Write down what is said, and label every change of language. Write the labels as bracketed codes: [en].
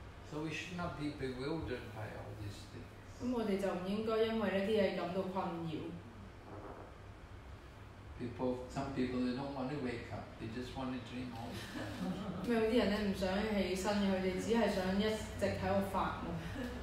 [en] So we should not be bewildered by all these things. [zh] 我們就不應該因為這些事情感到困擾。 [en] Some people they don't want to wake up, they just want to dream all the time. [zh] 有些人不想起床，他們只是想一直在發夢。